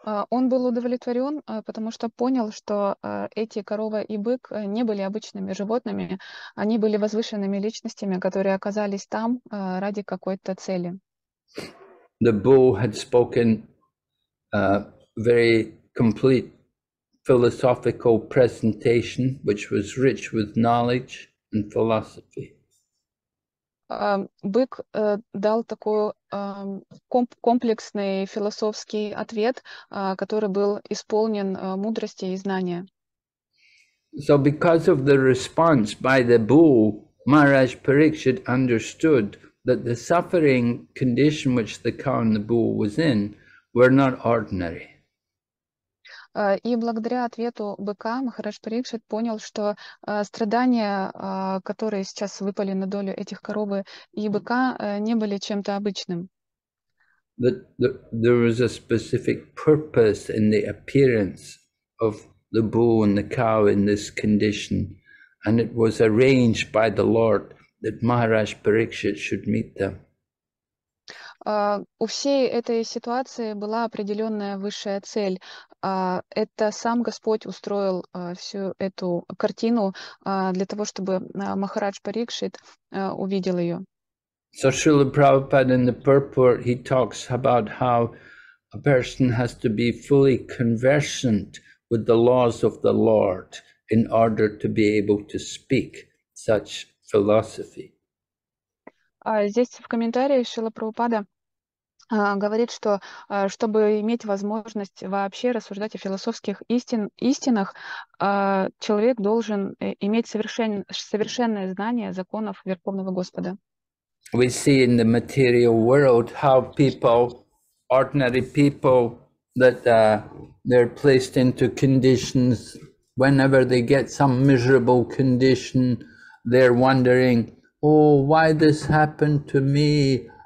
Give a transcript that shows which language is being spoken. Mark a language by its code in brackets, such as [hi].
[ru] Он был удовлетворен, потому что понял, что эти корова и бык не были обычными животными, они были возвышенными личностями, которые оказались там ради какой-то цели. [en] The bull had spoken very complete philosophical presentation, which was rich with knowledge and philosophy. [ru] Бык дал такой комплексный философский ответ, который был исполнен мудрости и знания. [en] So because of the response by the bull, Maharaj Parikshit understood that the suffering condition which the cow and the bull was in were not ordinary. [ru] И благодаря ответу быка Махарадж Парикшит понял, что страдания, которые сейчас выпали на долю этих коровы и быка, не были чем-то обычным. [en] There was a specific purpose in the appearance of the bull and the cow in this condition, and it was arranged by the Lord that Maharaj Parikshit should meet them. [ru] У всей этой ситуации была определенная высшая цель. Это сам Господь устроил всю эту картину для того, чтобы Махарадж Парикшит увидел ее. [en] So Srila Prabhupada in the purport, he talks about how a person has to be fully conversant with the laws of the Lord in order to be able to speak such philosophy. [ru] Здесь в комментариях Шрила Прабхупада говорит, что чтобы иметь возможность вообще рассуждать о философских истинах, человек должен иметь совершенное знание законов Верховного Господа. [en] We see in the material world how people, ordinary people, that they're placed into conditions. Whenever they get some miserable condition, they're wondering, oh, why this happened to me?